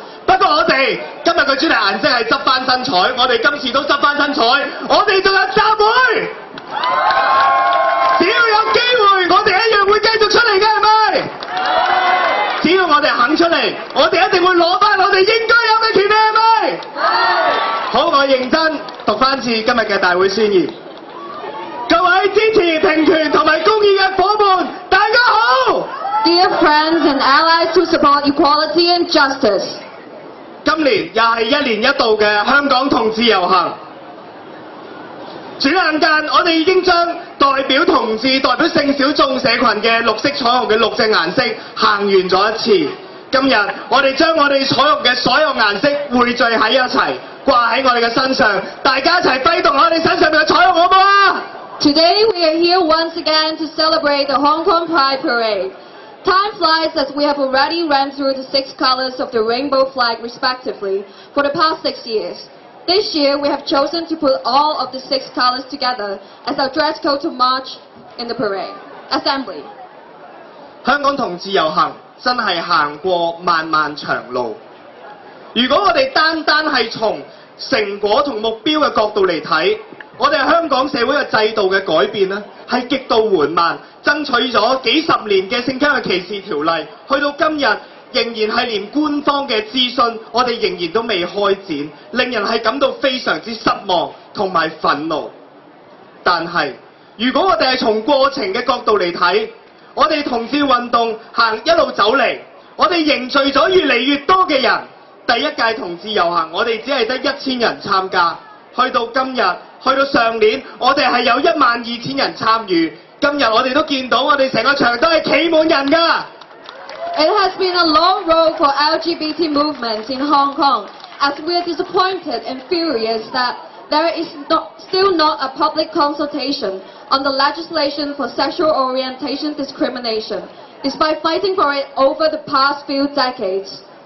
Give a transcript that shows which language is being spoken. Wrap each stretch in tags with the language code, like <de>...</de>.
<yue>不過我們今天的主題顏色是執回身材，我們今次都執回身材，我們還有集會，只要有機會我們一樣會繼續出來的，是不是？只要我們肯出來，我們一定會攞回我們應該有的權利，是不是？好，我認真讀翻次今日嘅大會宣言。各位支持平權同埋公義嘅夥伴，大家好</yue> <en>！Dear friends and allies who support equality and justice，</en> <yue>今年又係一年一度嘅香港同志遊行。轉眼間我們已經將代表同志代表性小眾社群的綠色彩虹的綠色顏色行完了一次，今天我們將我們彩虹的所有顏色匯聚在一起掛在我們的身上，大家一起揮動我們身上的彩虹好不好？</yue> <en>Today we are here once again to celebrate the Hong Kong Pride Parade. Time flies as we have already ran through the six colors of the rainbow flag respectively for the past 6 years. This year we have chosen to put all of the six colors together as our dress code to march in the parade. Assembly.</en> <yue>香港同志遊行真是行過漫漫長路，如果我們單單是從成果和目標的角度來看，我們香港社會的制度的改變是極度緩慢，爭取了幾十年的性傾向歧視條例去到今天仍然是連官方的諮詢我們仍然都未開展，令人是感到非常之失望和憤怒。但是如果我們是從過程的角度來看，我們同志運動行一路走來，我們凝聚了越來越多的人，第一屆同志遊行我們只是得1000人參加，去到今日去到上年我們是有12000人參與，今日我們都見到我們整個場都是企滿人的。</yue> <en>It has been a long road for LGBT movements in Hong Kong as we are disappointed and furious that there is still not a public consultationon the legislation for sexual orientation discrimination, despite fighting for it over the past few decades.</en>